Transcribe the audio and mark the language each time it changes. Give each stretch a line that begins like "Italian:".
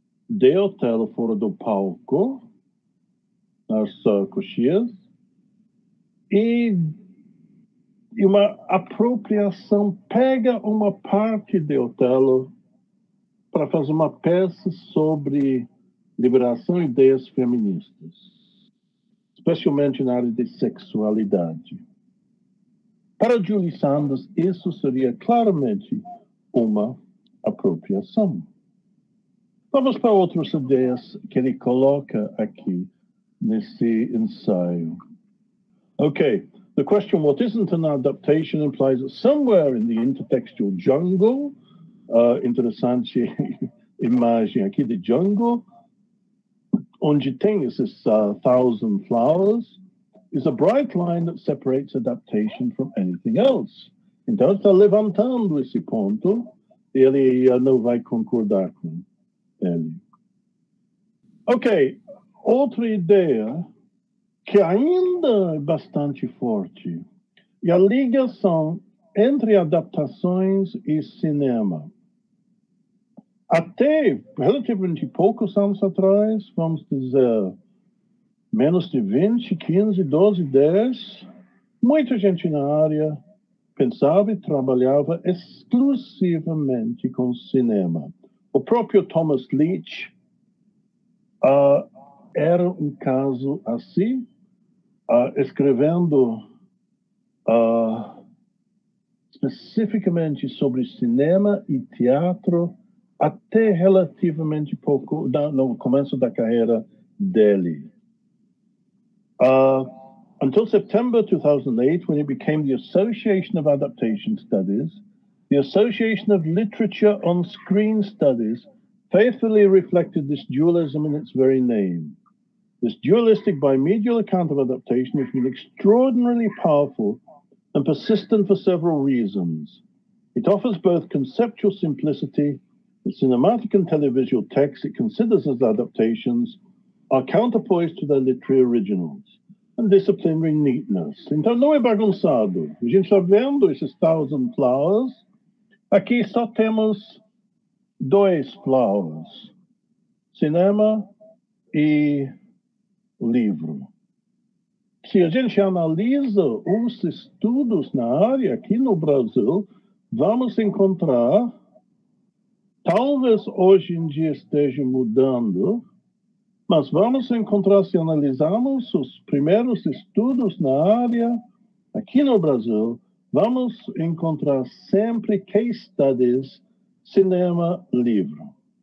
Portuguese: de Otelo fora do palco, nas coxias, e uma apropriação, pega uma parte de Otelo para fazer uma peça sobre liberação e ideias feministas, especialmente na área de sexualidade. Para Julie Sanders, isso seria claramente uma apropriação. Vamos para outras ideias que ele coloca aqui nesse ensaio.
English: Ok, the question, what isn't an adaptation, implies that somewhere in the intertextual jungle,
Portuguese: interessante imagem aqui de jungle, onde tem esses
English: thousand flowers, is a bright line that separates adaptation from anything else.
Portuguese: Então, está levantando esse ponto, ele não vai concordar com ele. Ok, outra ideia que ainda é bastante forte, e a ligação entre adaptações e cinema. Até relativamente poucos anos atrás, vamos dizer, menos de 20, 15, 12, 10, muita gente na área pensava e trabalhava exclusivamente com cinema. O próprio Thomas Leach era um caso assim, escrevendo especificamente sobre cinema e teatro até relativamente pouco, no começo da carreira dele.
English: Until September 2008, when it became the Association of Adaptation Studies, the Association of Literature on Screen Studies, faithfully reflected this dualism in its very name. This dualistic bimedial account of adaptation has been extraordinarily powerful and persistent for several reasons. It offers both conceptual simplicity, the cinematic and televisual texts it considers as adaptations are counterpoised to their literary originals, and disciplinary neatness.
Portuguese: Então, não é bagunçado. A gente está vendo esses
English: Thousand Flowers.
Portuguese: Aqui só temos dois flowers, cinema e livro. Se a gente analisa os estudos na área aqui no Brasil, vamos encontrar, talvez hoje em dia esteja mudando, mas vamos encontrar, se analisarmos os primeiros estudos na área aqui no Brasil, vamos encontrar sempre case studies, cinema, livro.